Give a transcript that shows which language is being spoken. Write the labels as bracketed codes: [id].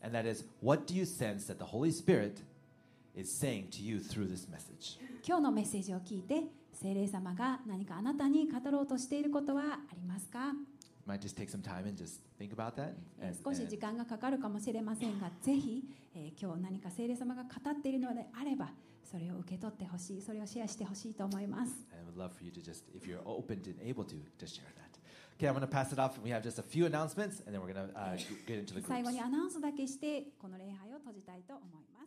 [en] And that is, what do you sense that the Holy Spirit is saying to you through this message? [ja] 今日のメッセージを聞いて、聖霊様が何かあなたに語ろうとしていることはありますか? [en] Might just take some time and just think about that. [ja] 少し時間がかかるかもしれませんが、ぜひ、今日何か聖霊様が語っているのであれば、それを受け取ってほしい、それをシェアしてほしいと思います。 [en] I would love for you to just, if you're open and able to, just share that. Okay, I'm going to pass it off. We have just a few announcements, and then we're going to get into the groups. [ja] 最後にアナウンスだけしてこの礼拝を閉じたいと思います。